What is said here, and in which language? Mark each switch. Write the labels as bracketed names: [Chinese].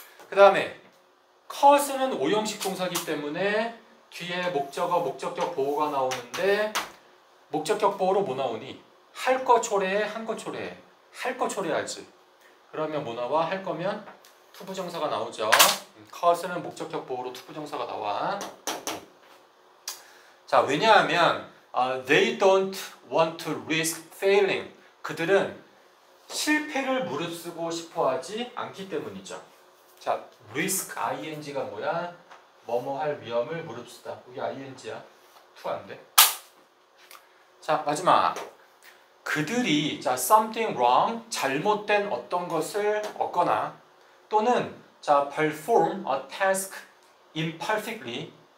[Korean] 그다음에 cause는 오형식 동사기 때문에 뒤에 목적어 목적격 보호가 나오는데 목적격 보호로 뭐 나오니? 할거 초래해, 한거 초래해. 할거 초래하지. 그러면 뭐 나와? 할 거면 투부 정사가 나오죠. cause는 목적격 보호로 투부 정사가 나와. [English] 자, [Korean] 왜냐하면 [English] they don't want to risk failing. [Korean] 그들은 실패를 무릅쓰고 싶어 하지 않기 때문이죠. 자, risk ing가 뭐야? 뭐뭐 할 위험을 무릅쓰다. 여기 ing야. 투안 돼. 자, 마지막. 그들이 자, [English] something wrong, [Korean] 잘못된 어떤 것을 얻거나 또는 자, [English] perform a task imperfectly.